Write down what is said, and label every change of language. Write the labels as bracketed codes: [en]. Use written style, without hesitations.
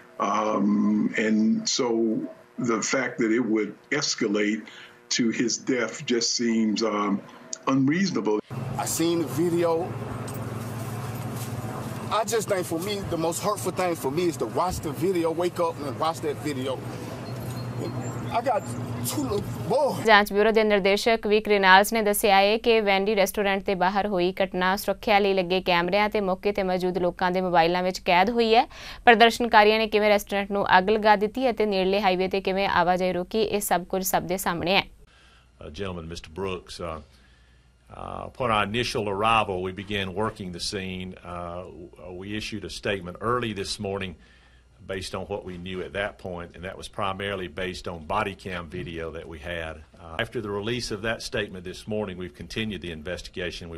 [en] And so the fact that it would escalate to his death just seems unreasonable. I seen the video. I just think for me, the most hurtful thing for me is to watch the video, wake up and watch that video. I got two little boys. [pa] ਜਾਂਚ bureau ਦੇ ਨਿਰਦੇਸ਼ਕ ਵਿਕ ਰੇਨਾਲਡਸ ਨੇ ਦੱਸਿਆ ਹੈ ਕਿ ਵੈਂਡੀ restaurant ਦੇ ਬਾਹਰ ਹੋਈ ਘਟਨਾ ਸੁਰੱਖਿਆ ਲਈ ਲੱਗੇ ਕੈਮਰਿਆਂ ਅਤੇ ਮੌਕੇ ਤੇ ਮੌਜੂਦ ਲੋਕਾਂ ਦੇ ਮੋਬਾਈਲਾਂ ਵਿੱਚ ਕੈਦ ਹੋਈ ਹੈ। ਪ੍ਰਦਰਸ਼ਨਕਾਰੀਆਂ ਨੇ ਕਿਵੇਂ ਰੈਸਟੋਰੈਂਟ ਨੂੰ ਅੱਗ ਲਗਾ ਦਿੱਤੀ ਅਤੇ ਨੇੜਲੇ ਹਾਈਵੇ ਤੇ ਕਿਵੇਂ ਆਵਾਜਾਈ ਰੋਕੀ, ਇਹ ਸਭ ਕੁਝ ਸਭ ਦੇ ਸਾਹਮਣੇ ਹੈ। [en] Gentlemen, Mr. Brooks, upon our initial arrival, we began working the scene. We issued a statement early this morning based on what we knew at that point, and that was primarily based on body cam video that we had. After the release of that statement this morning, we've continued the investigation.